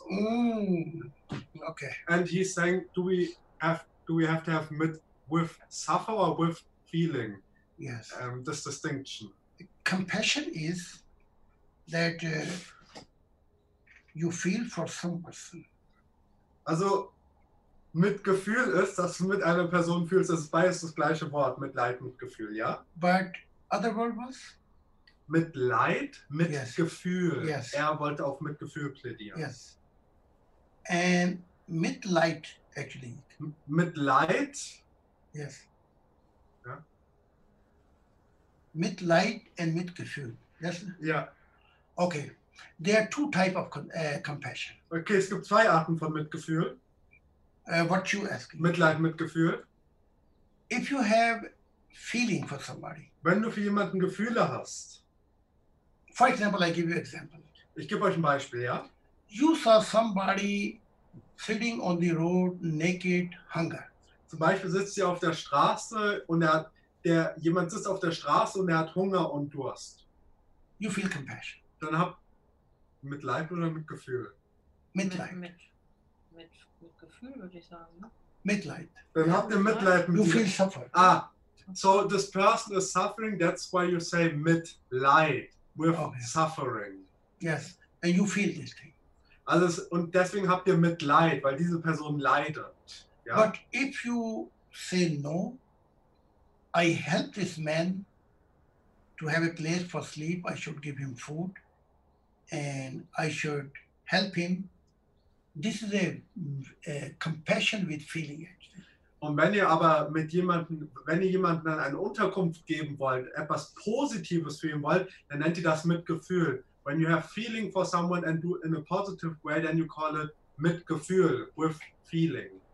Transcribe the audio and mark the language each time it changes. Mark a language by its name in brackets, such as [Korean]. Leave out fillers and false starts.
[English] So. Mm. Okay. And he's saying, do we have to have mit with suffer or with feeling? Yes. This distinction. Compassion is that you feel for some person. [German] Also Mitgefühl ist, dass du mit einer Person fühlst. Das ist beides das gleiche Wort, Mitleid, Mitgefühl, ja. [English] But other word was. [German] Mit Leid, mit [English] yes. [German] Gefühl. [English] Yes. [German] Er wollte auf Mitgefühl plädieren. [English] Yes. And mit Leid, actually. [German] Mit Leid. [English] Yes. [German] Ja. Mit Leid [English] and [German] Mitgefühl. [English] Yes. [German] Ja. [English] Okay. There are two type of compassion. [German] Okay, es gibt zwei Arten von Mitgefühl. [English] What you asking? [German] Mit Leid, Mitgefühl. [English] If you have feeling for somebody. [German] Wenn du für jemanden Gefühle hast. [English] For example, I give you an example. [German] Ich gebe euch ein Beispiel, ja? [English] You saw somebody sitting on the road naked, hunger. [German] Zum Beispiel sitzt ihr auf der Straße und jemand sitzt auf der Straße und er hat Hunger und Durst. [English] You feel compassion. [German] Dann habt Mitleid oder Mitgefühl? Mitleid. Mitgefühl, würde ich sagen. Ne? Mitleid. Dann habt ihr Mitleid mit [English] you feel suffering. Ah, so this person is suffering, that's why you say Mitleid. With okay. Suffering. Yes, and you feel this thing. [German] Also, und deswegen habt ihr Mitleid, weil diese Person leidet. Ja? [English] But if you say no, I help this man to have a place for sleep, I should give him food, and I should help him. This is a compassion with feeling it. [German] Und wenn ihr aber wenn ihr jemanden dann eine Unterkunft geben wollt, etwas Positives für ihn wollt, dann nennt ihr das Mitgefühl. [English] When you have feeling for someone and do it in a positive way, then you call it Mitgefühl, with feeling.